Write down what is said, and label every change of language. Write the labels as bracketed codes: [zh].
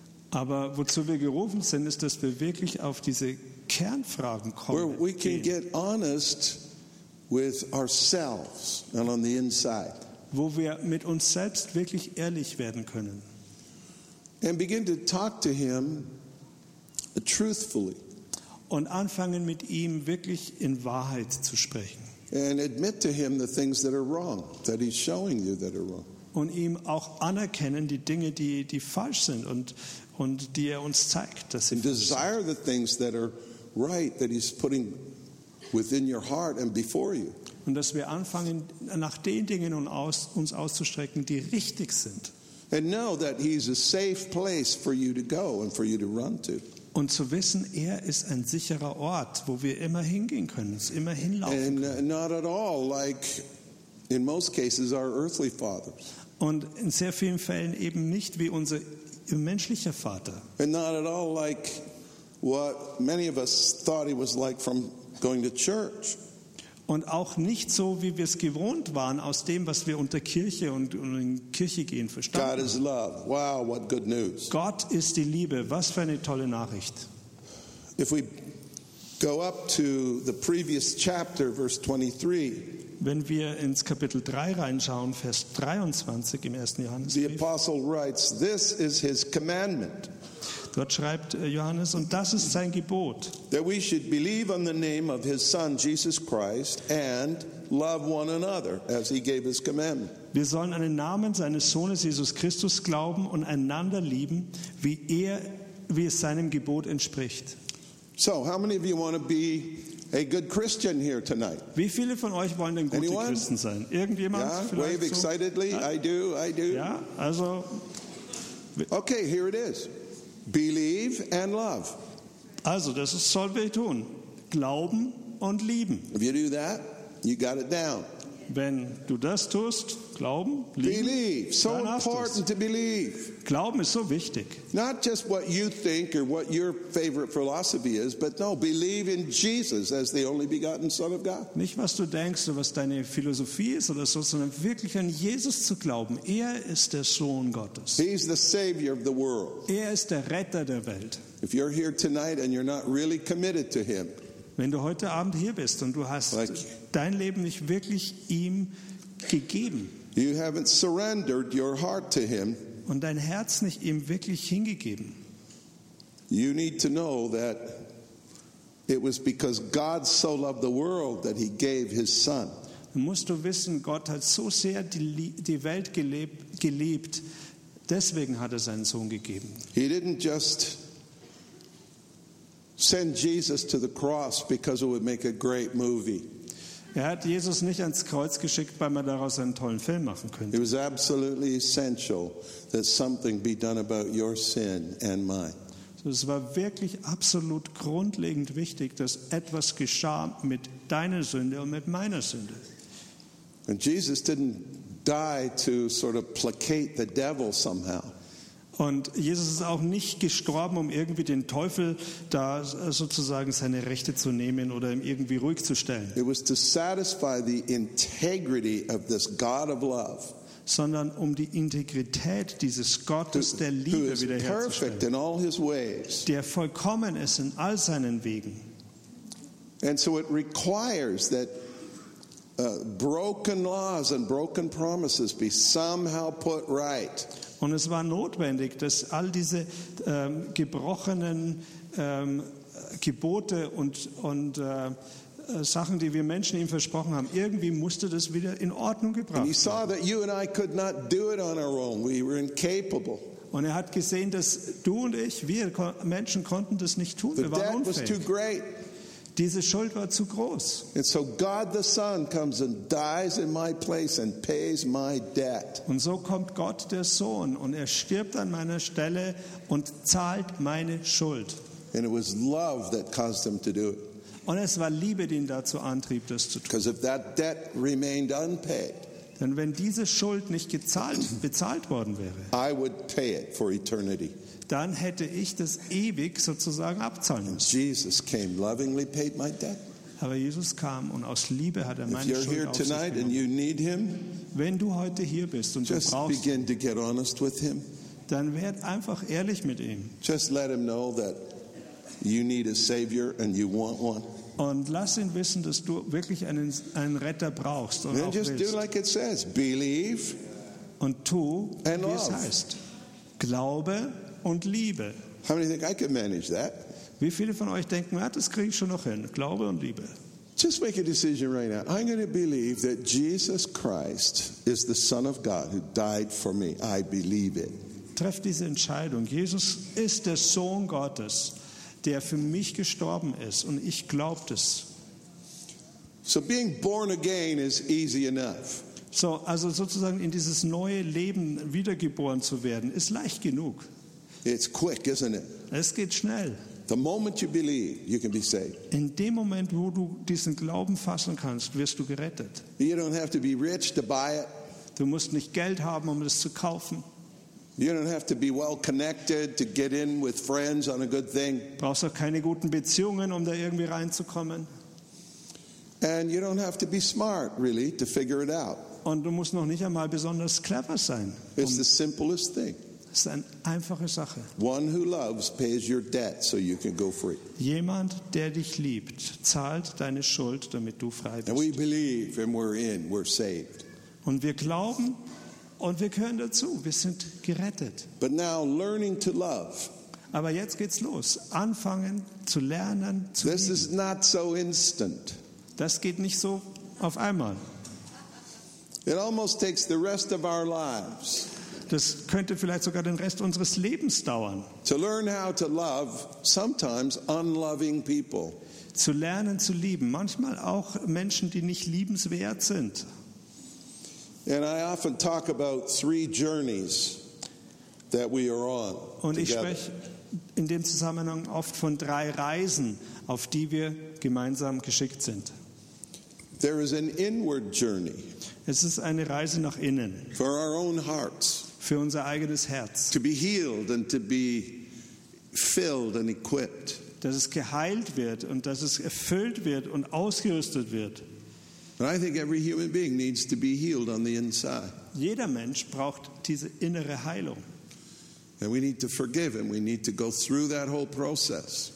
[de] Aber wozu wir gerufen sind, ist, dass wir wirklich auf diese Kernfragen kommen. [en] Where we can get honest with ourselves and on the inside. [de] Wo wir mit uns selbst wirklich ehrlich werden können. [en] And begin to talk to him truthfully. [de] Und anfangen mit ihm wirklich in Wahrheit zu sprechen. [en] And admit to him the things that are wrong, that he's showing you that are wrong. [de] Und ihm auch anerkennen die Dinge, die falsch sind und die er uns zeigt, dass sie falsch sind. [en] Desire the things that are right, that he's putting within your heart and before you. [de] Und dass wir anfangen, nach den Dingen uns auszustrecken, die richtig sind. [en] And know that he's a safe place for you to go and for you to run to. [de] Und zu wissen, er ist ein sicherer Ort, wo wir immer hingehen können, es immer hinlaufen können. [en] And not at all like in most cases our earthly fathers. [de] Und in sehr vielen Fällen eben nicht wie unser menschlicher Vater. [en] And not at all like what many of us thought he was like from going to church. [de] Und auch nicht so, wie wir es gewohnt waren, aus dem, was wir unter Kirche und in Kirche gehen verstanden. [en] God is love. Wow, what good news. [de] Gott ist die Liebe. Was für eine tolle Nachricht. [en] If we go up to the previous chapter, verse 23, [de] wenn wir ins Kapitel 3 reinschauen, Vers 23 im 1. Johannesbrief, [en] the apostle writes, this is his commandment. [de] Gott schreibt Johannes, und das ist sein Gebot. [en] That we should believe on the name of his son Jesus Christ and love one another as he gave his commandment. [de] Wir sollen an den Namen seines Sohnes Jesus Christus glauben und einander lieben, wie es seinem Gebot entspricht. [en] So, how many of you want to be a good Christian here tonight? [de] Wie viele von euch wollen denn gute Christen sein? Irgendjemand? [en] Yeah, wave excitedly. So? I do. Yeah, also. Okay, here it is. Believe and love. [de] Also, das sollen wir tun. Glauben und lieben. [en] If you do that, you got it down. [de] Wenn du das tust, glauben, lieben, [en] believe. So [de] dann hast [en] important [de] es. [en] To believe. [de] Glauben ist so wichtig. [en] Not just what you think or what your favorite philosophy is, but no, believe in Jesus as the only begotten Son of God. [de] Nicht was du denkst oder was deine Philosophie ist oder so, sondern wirklich an Jesus zu glauben. Er ist der Sohn Gottes. [en] He's the Savior of the world. [de] Er ist der Retter der Welt. [en] If you're here tonight and you're not really committed to him. [de] Wenn du heute Abend hier bist und du hast like, dein Leben nicht wirklich ihm gegeben. [en] You haven't surrendered your heart to him. [de] Und dein Herz nicht ihm wirklich hingegeben. [en] You need to know that it was because God so loved the world that he gave his son. [de] Dann musst du wissen, Gott hat so sehr die Welt geliebt, deswegen hat er seinen Sohn gegeben. [en] He didn't just send Jesus to the cross because it would make a great movie. [de] Er hat Jesus nicht ans Kreuz geschickt, weil man daraus einen tollen Film machen könnte. [en] It was absolutely essential that something be done about your sin and mine. [de] So, es war wirklich absolut grundlegend wichtig, dass etwas geschah mit deiner Sünde und mit meiner Sünde. [en] And Jesus didn't die to sort of placate the devil somehow. [de] Und Jesus ist auch nicht gestorben, um irgendwie den Teufel da sozusagen seine Rechte zu nehmen oder ihm irgendwie ruhig zu stellen. [en] It was to satisfy the integrity of this God of love. [de] Sondern um die Integrität dieses Gottes der Liebe wiederherzustellen. [en] Who is perfect in all his ways. [de] Der vollkommen ist in all seinen Wegen. [en] And so it requires that broken laws and broken promises be somehow put right. [de] Und es war notwendig, dass all diese gebrochenen Gebote und Sachen, die wir Menschen ihm versprochen haben, irgendwie musste das wieder in Ordnung gebracht werden. [en] He saw that you and I could not do it on our own. We were incapable. [de] Und er hat gesehen, dass du und ich, wir Menschen, konnten das nicht tun. Wir waren unfähig. [en] The debt was too great. [de] Diese Schuld war zu groß. [en] And so God the Son comes and dies in my place and pays my debt. [de] Und so kommt Gott der Sohn und er stirbt an meiner Stelle und zahlt meine Schuld. [en] And it was love that caused him to do it. [de] Und es war Liebe, die ihn dazu antrieb, das zu tun. [en] Because if that debt remained unpaid, [de] denn wenn diese Schuld nicht bezahlt worden wäre, [en] I would pay it for eternity. [de] Dann hätte ich das ewig sozusagen abzahlen müssen. And Jesus came, lovingly paid my debt. Aber Jesus kam und aus Liebe hat er meine Schuld auf sich genommen. [en] And you need him, [de] wenn du heute hier bist und [en] just [de] du brauchst [en] begin to get honest with him. [de] Dann werd einfach ehrlich mit ihm. [en] Just let him know that you need a savior and you want one. [de] Und lass ihn wissen, dass du wirklich einen Retter brauchst und [en] then [de] auch [en] just [de] willst. [en] Do like it says, believe [de] und tu, [en] and [de] wie [en] love. [de] Es heißt. Glaube und Liebe. [en] How many think I can manage that? [de] Wie viele von euch denken, ja, das kriege ich schon noch hin, Glaube und Liebe. [en] Just make a decision right now. I'm going to believe that Jesus Christ is the Son of God who died for me. I believe it. [de] Treff diese Entscheidung. Jesus ist der Sohn Gottes, der für mich gestorben ist und ich glaube das. [en] So being born again is easy enough. [de] So, also sozusagen in dieses neue Leben wiedergeboren zu werden, ist leicht genug. [en] It's quick, isn't it? [de] Es geht schnell. [en] The moment you believe, you can be saved. [de] In dem Moment, wo du diesen Glauben fassen kannst, wirst du gerettet. [en] You don't have to be rich to buy it. [de] Du musst nicht Geld haben, um es zu kaufen. [en] You don't have to be well connected to get in with friends on a good thing. [de] Brauchst auch keine guten Beziehungen, um da irgendwie reinzukommen. [en] And you don't have to be smart, really, to figure it out. [de] Und du musst noch nicht einmal besonders clever sein. [en] It's the simplest thing. [de] Es ist eine einfache Sache. [en] One who loves pays your debt, so you can go free. [de] Jemand, der dich liebt, zahlt deine Schuld, damit du frei bist. [en] And we believe, and we're in, we're saved. [de] Und wir glauben. Und wir gehören dazu. Wir sind gerettet. [en] But now learning to love. [de] Aber jetzt geht's los. Anfangen zu lernen, zu [en] This leben. Is not so instant. [de] Das geht nicht so auf einmal. [en] It almost takes the rest of our lives. [de] Das könnte vielleicht sogar den Rest unseres Lebens dauern. [en] To learn how to love sometimes unloving people. [de] Zu lernen zu lieben, manchmal auch Menschen, die nicht liebenswert sind. [en] And I often talk about three journeys that we are on. [de] Und ich spreche in dem Zusammenhang oft von drei Reisen, auf die wir gemeinsam geschickt sind. [en] There is an inward journey. [de] Es ist eine Reise nach innen. [en] For our own hearts. [de] Für unser eigenes Herz. [en] To be healed and to be filled and equipped. [de] Dass es geheilt wird und dass es erfüllt wird und ausgerüstet wird. [en] But I think every human being needs to be healed on the inside. [de] Jeder Mensch braucht diese innere Heilung. [en] And we need to forgive and we need to go through that whole process.